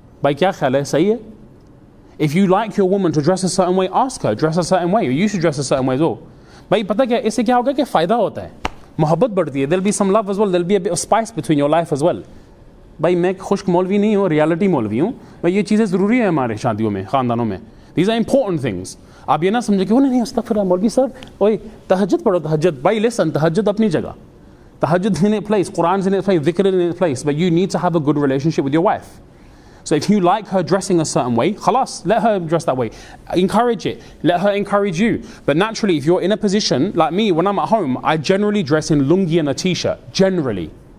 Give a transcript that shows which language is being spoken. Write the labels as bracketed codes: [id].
[en] If you like your woman to dress a certain way, ask her, dress a certain way. You should dress a certain way as well. There'll be some love as well. There'll be a bit of spice between your life as well. I don't have a reality molvi. But these things are necessary in our marriage. These are important things. [ur] آپ یہ نہ سمجھے کہ وہ نہیں استغفراللہ مولوی سر، اوئے تہجد پڑھو تہجد۔ بھائی listen، تہجد اپنی جگہ۔ [en] Tahajjud in its place, Quran's in its place, dhikr in its place. But you need to have a good relationship with your wife. So if you like her dressing a certain way, khalas, let her dress that way. Encourage it. Let her encourage you. But naturally, if you're in a position like me, when I'm at home, I generally dress in lungi and a t-shirt. Generally.